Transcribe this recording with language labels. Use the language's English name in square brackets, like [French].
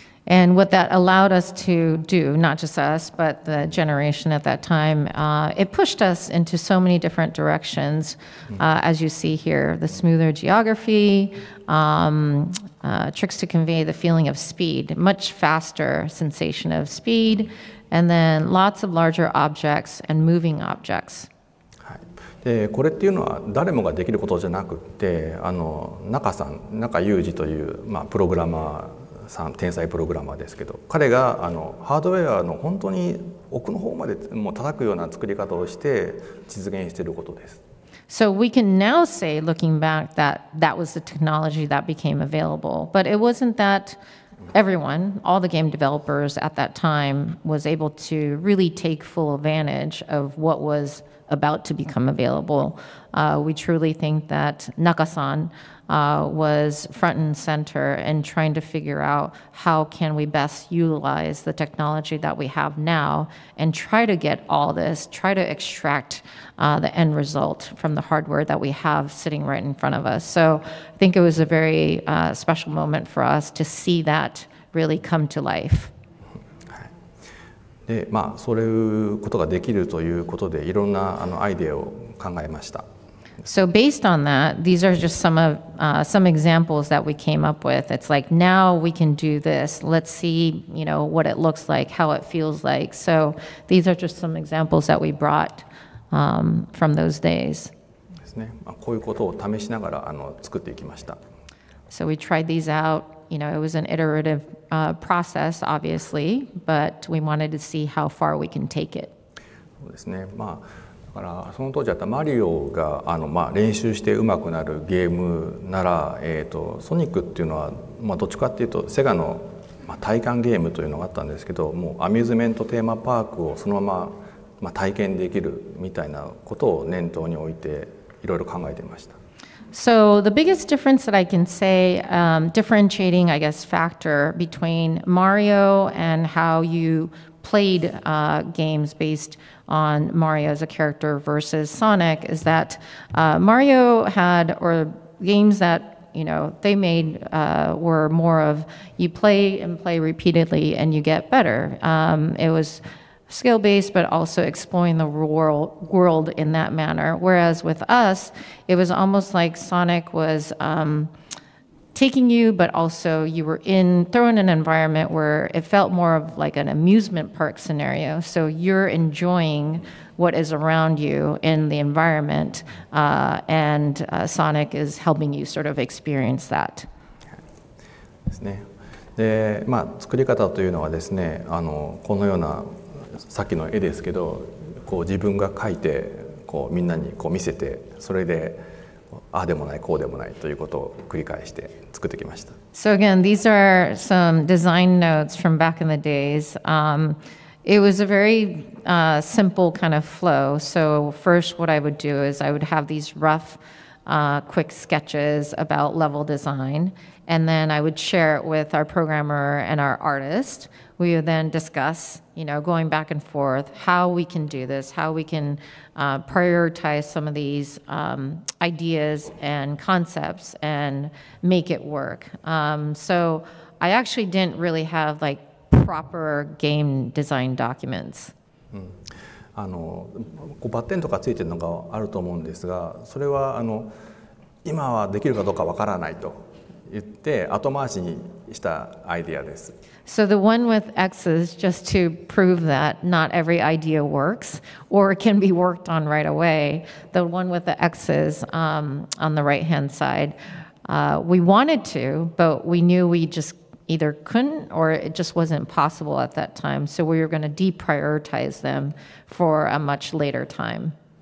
[English] And what that allowed us to do, not just us, but the generation at that time, it pushed us into so many different directions, as you see here, the smoother geography, tricks to convey the feeling of speed, much faster sensation of speed, and then lots of larger objects and moving objects. [Japanese] でこれっていうのは誰もができることじゃなくて、あの、中さん、中裕二という、まあ、プログラマー天才プログラマーですけど、彼が、あの、ハードウェアの本当に奥の方までもう叩くような作り方をして実現していることです。 [English] So we can now say, looking back, that that was the technology that became available. But it wasn't that everyone, all the game developers at that time, was able to really take full advantage of what was about to become available. We truly think that Naka-san,was front and center in trying to figure out how can we best utilize the technology that we have now and try to get all this, try to extract the end result from the hardware that we have sitting right in front of us. So I think it was a very special moment for us to see that really come to life. [Japanese] で、まあ、そういうことができるということで、いろんな、あの、アイデアを考えました。 [English] So based on that, these are just some of, some examples that we came up with. It's like, now we can do this. Let's see, you know, what it looks like, how it feels like. So these are just some examples that we brought, from those days. [Japanese] ですね。まあ、こういうことを試しながら、あの、作っていきました。 [English] So we tried these out. You know, it was an iterative process, obviously, but we wanted to see how far we can take it. [Japanese] そうですね。まあ、だからその当時だったマリオが、あの、まあ、練習して上手くなるゲームなら、ソニックっていうのは、まあ、どっちかっていうとセガの、まあ、体感ゲームというのがあったんですけど、もうアミューズメントテーマパークをそのまま、まあ、体験できるみたいなことを念頭に置いていろいろ考えていました。 [English] So the biggest difference that I can say, differentiating, I guess, factor between Mario and how you played games based on Mario as a character versus Sonic is that Mario had, or games that, you know, they made were more of you play and play repeatedly and you get better. It was... skill-based, but also exploring the world in that manner. Whereas with us, it was almost like Sonic was taking you, but also you were in, thrown in an environment where it felt more of like an amusement park scenario. So you're enjoying what is around you in the environment, and Sonic is helping you sort of experience that. [Japanese] ですね。で、まあ、作り方というのはですね、このようなさっきの絵ですけど、こう自分が描いてこうみんなにこう見せて、それでああでもないこうでもないということを繰り返して作ってきました。 [English] So again, these are some design notes from back in the days. It was a very simple kind of flow. So first, what I would do is I would have these rough, quick sketches about level design, and then I would share it with our programmer and our artist. We would then discuss, you know, going back and forth, how we can do this, how we can prioritize some of these ideas and concepts and make it work. So I actually didn't really have like. Proper game design documents. [Japanese] こうバッテンとかついてるのがあると思うんですが、それは今はできるかどうかわからないと言って後回しにしたアイデアです。 [English] So the one with X's just to prove that not every idea works or can be worked on right away. The one with the X's on the right hand side, we wanted to, but we knew we just. Either couldn't or it just wasn't possible at that time. So we were going to deprioritize them for a much later time.